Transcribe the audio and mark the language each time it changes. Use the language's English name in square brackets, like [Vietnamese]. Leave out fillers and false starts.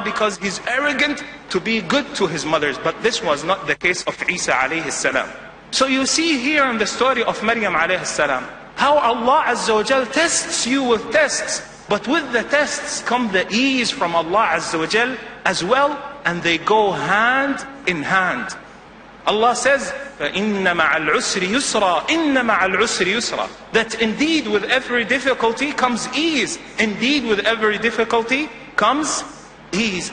[English] Because he's arrogant to be good to his mothers. But this was not the case of Isa alayhi salam. So you see here in the story of Maryam alayhi salam, how Allah Azza wa Jal tests you with tests. But with the tests come the ease from Allah Azza wa Jal as well, and they go hand in hand. Allah says, [Arabic] فَإِنَّ مَعَ الْعُسْرِ يُسْرًا. إِنَّ مَعَ الْعُسْرِ يُسْرًا. [English] That indeed with every difficulty comes ease. Indeed with every difficulty comes ease.